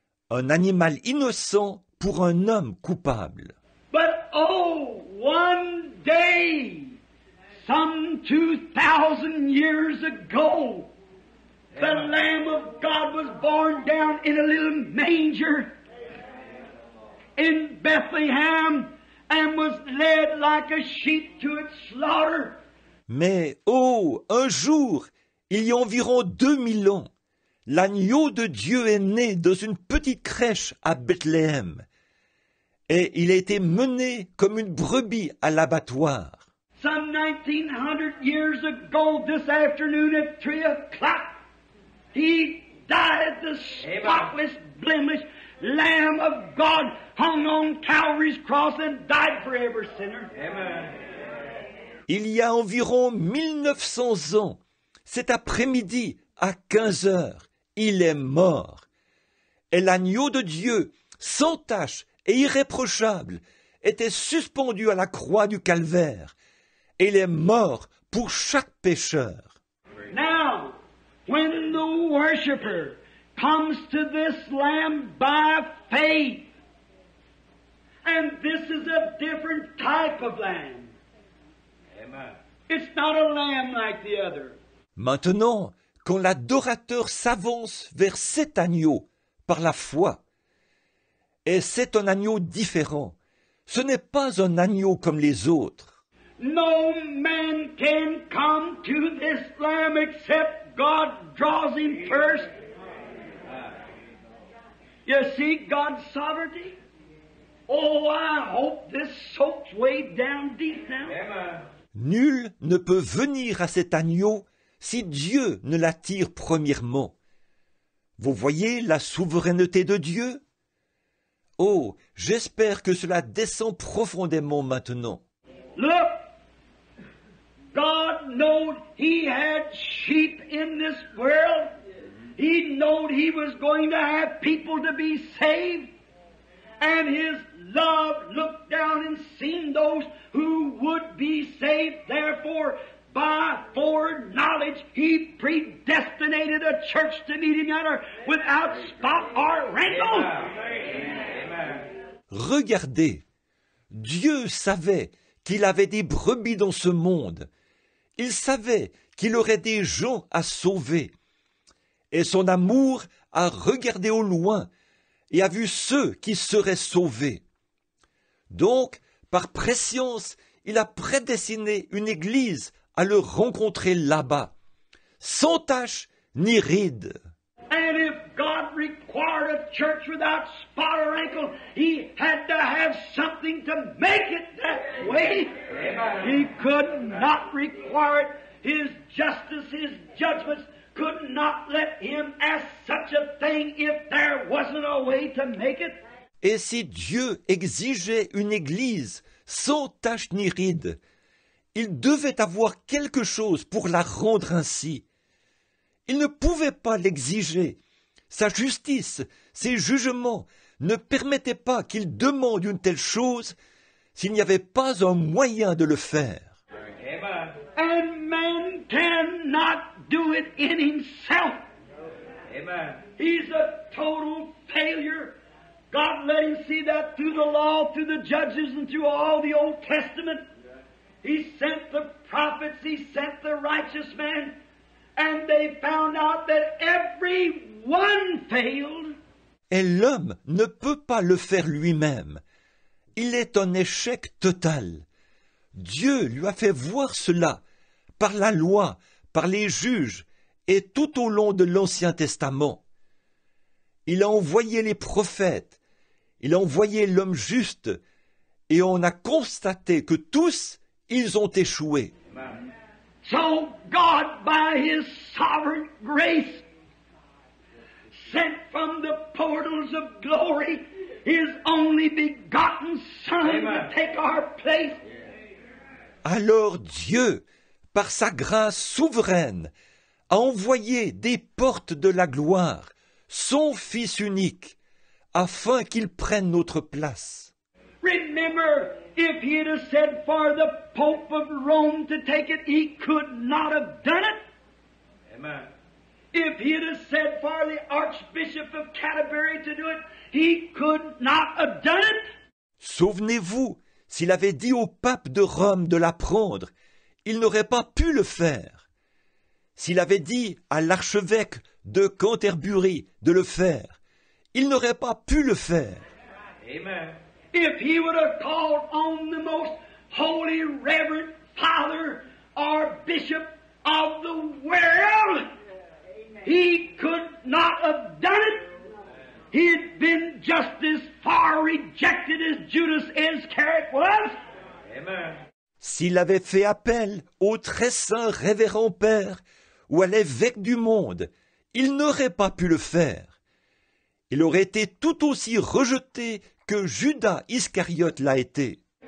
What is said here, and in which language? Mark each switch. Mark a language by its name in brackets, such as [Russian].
[French] Un animal innocent pour un homme coupable. [English] But oh, one day, some 2,000 years ago, the Lamb of God was born down in a little manger in Bethlehem and was led like a sheep to its slaughter. [French] Mais oh, un jour, il y a environ 2000 ans, l'agneau de Dieu est né dans une petite crèche à Bethléem et il a été mené comme une brebis à l'abattoir. [English] Some 1900 years ago this afternoon at 3 o'clock, he died the spotless, blemish Lamb of God hung on Calvary's cross and died for every sinner. Amen. [French] Il y a environ 1900 ans, cet après-midi à 15 heures, il est mort. Et l'agneau de Dieu, sans tache et irréprochable, était suspendu à la croix du calvaire. Et il est mort pour chaque pécheur. [English] Now, when the worshiper comes to this lamb by faith, and this is a different type of lamb. Amen. It's not a lamb like the other. [French] Maintenant, quand l'adorateur s'avance vers cet agneau par la foi. Et c'est un agneau différent. Ce n'est pas un agneau comme les autres. [English] No man can come to this Lamb except God draws him first. You see God's sovereignty? Oh, I hope this soaks way down deep now. [French] Nul ne peut venir à cet agneau si Dieu ne l'attire premièrement. Vous voyez la souveraineté de Dieu? Oh, j'espère que cela descend profondément maintenant. [English] Look, God knowed he had sheep in this world. He knowed he was going to have people to be saved. And his love looked down and seen those who would be saved. Therefore, by foreknowledge, he predestinated a church to meet him yonder without spot or wrinkle. Amen. [French] Regardez, Dieu savait qu'il avait des brebis dans ce monde. Il savait qu'il aurait des gens à sauver. Et son amour a regardé au loin et a vu ceux qui seraient sauvés. Donc, par prescience, il a prédestiné une église à le rencontrer là-bas, sans tache ni ride. [English] And if God required a church without spot or wrinkle, he had to have something to make it that way. Amen. He could not require it. His justice, his judgments could not let him ask such a thing if there wasn't a way to make it. [French] Et si Dieu exigeait une église sans tache ni ride, il devait avoir quelque chose pour la rendre ainsi. Il ne pouvait pas l'exiger. Sa justice, ses jugements ne permettaient pas qu'il demande une telle chose s'il n'y avait pas un moyen de le faire. [English] And man cannot do it in himself. Amen. He's a total failure. God let him see that through the law, through the judges, and through all the Old Testament. He sent the prophets, he sent the righteous man. And they found out that every one failed. [French] Et l'homme ne peut pas le faire lui-même. Il est un échec total. Dieu lui a fait voir cela par la loi, par les juges et tout au long de l'Ancien Testament. Il a envoyé les prophètes, il a envoyé l'homme juste et on a constaté que tous, ils ont échoué. [English] So God, by his sovereign grace, sent from the portals of glory his only begotten Son. Amen. To take our place. [French] Alors Dieu, par sa grâce souveraine, a envoyé des portes de la gloire, son Fils unique, afin qu'il prenne notre place. [English] Remember, if he had said for the Pope of Rome to take it, he could not have done it. Amen. If he had said for the Archbishop of Canterbury to do it, he could not have done it. [French] Souvenez-vous, s'il avait dit au pape de Rome de la prendre, il n'aurait pas pu le faire. S'il avait dit à l'archevêque de Canterbury de le faire, il n'aurait pas pu le faire. [English] Amen. If he would have called on the most holy, reverend father or bishop of the world, he could not have done it. He had been just as far rejected as Judas Iscariot was. Amen. [French] S'il avait fait appel au très saint révérend père ou à l'évêque du monde, il n'aurait pas pu le faire. Il aurait été tout aussi rejeté que Judas Iscariote l'a été.